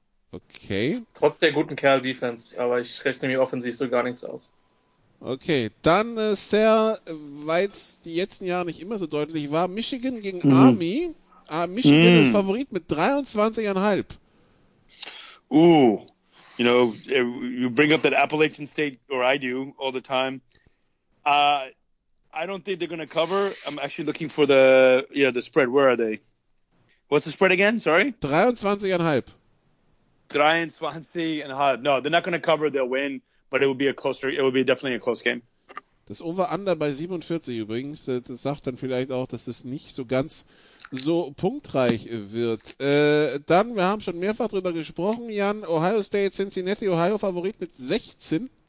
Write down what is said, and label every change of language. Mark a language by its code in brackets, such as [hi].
[de] Okay. Trotz der guten Kerl-Defense, aber ich rechne mir offensichtlich so gar nichts aus. Okay, dann Sir, weil es die letzten Jahre nicht immer so deutlich war, Michigan gegen Army. Michigan ist Favorit mit 23,5. [en] Ooh, you know, you bring up that Appalachian State, or I do all the time. I don't think they're going to cover. I'm actually looking for the spread. Where are they? What's the spread again? Sorry? 23.5. 23.5. No, they're not going to cover. They'll win, but it will be a closer. It will be definitely a close game. [de] Das Over-Under bei 47 übrigens, das sagt dann vielleicht auch, dass es nicht so ganz so punktreich wird. Dann, wir haben schon mehrfach drüber gesprochen, Jan, Ohio State, Cincinnati, Ohio Favorit mit 16.